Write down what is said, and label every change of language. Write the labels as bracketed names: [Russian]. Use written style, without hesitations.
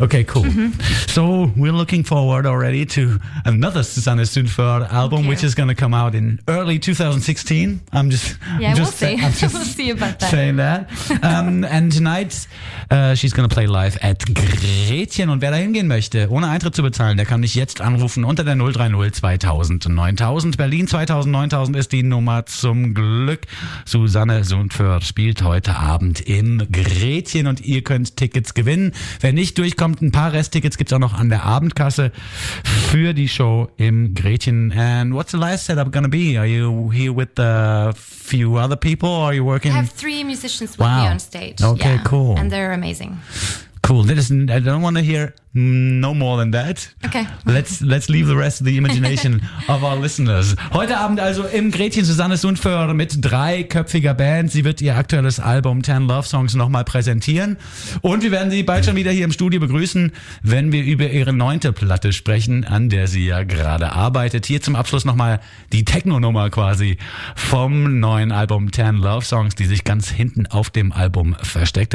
[English] Okay, cool. Mm-hmm. So we're looking forward already to another Susanne Sundfør album, which is going to come out in early 2016. I'm just saying that. and tonight she's going to play live at Gretchen. [German] Und wer da hingehen möchte, ohne Eintritt zu bezahlen, der kann mich jetzt anrufen unter der 030 2000 9000. Berlin 2000 9000 ist die Nummer zum Glück. Susanne Sundfør spielt heute Abend im Gretchen und ihr könnt Tickets gewinnen. Wer nicht durchkommt, ein paar Resttickets gibt es auch noch an der Abendkasse für die Show im Gretchen. [English] And what's the live setup gonna be? Are you here with a few other people, or are you working? I have 3 musicians with wow. me on stage. Okay, yeah. cool. And they're amazing. Cool. Listen, I don't want to hear no more than that. Okay. Let's leave the rest of the imagination of our listeners. [German] Heute Abend also im Gretchen Susanne Sundfør mit dreiköpfiger Band. Sie wird ihr aktuelles Album 10 Love Songs nochmal präsentieren. Und wir werden sie bald schon wieder hier im Studio begrüßen, wenn wir über ihre 9. Platte sprechen, an der sie ja gerade arbeitet. Hier zum Abschluss nochmal die Techno-Nummer quasi vom neuen Album 10 Love Songs, die sich ganz hinten auf dem Album versteckt.